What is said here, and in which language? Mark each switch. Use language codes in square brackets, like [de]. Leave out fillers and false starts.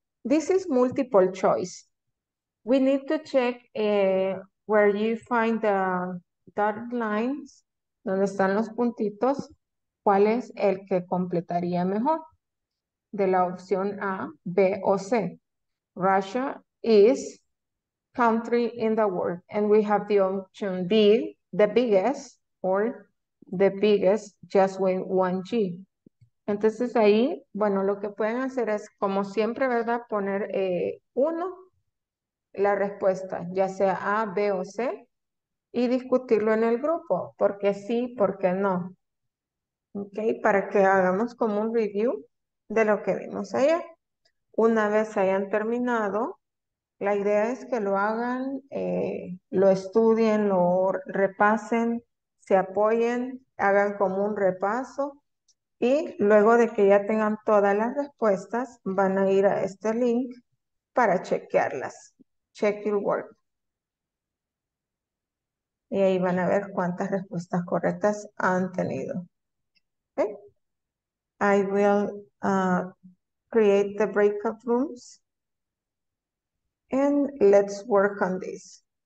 [en] This is multiple choice. We need to check where you find the dotted lines, [es] donde están los puntitos, cuál es el que completaría mejor, de la opción A, B o C. [en] Russia is country in the world, and we have the option B, the biggest, or the biggest, just with 1G. [es] Entonces ahí, bueno, lo que pueden hacer es, como siempre, ¿verdad?, poner uno, la respuesta, ya sea A, B o C, y discutirlo en el grupo, ¿por qué sí, por qué no? Ok, para que hagamos como un review de lo que vimos ayer. Una vez hayan terminado, la idea es que lo hagan, lo estudien, lo repasen, se apoyen, hagan como un repaso y luego de que ya tengan todas las respuestas, van a ir a este link para chequearlas. [en] Check your work. [es] Y ahí van a ver cuántas respuestas correctas han tenido. [en] Okay. I will create the breakout rooms and let's work on this.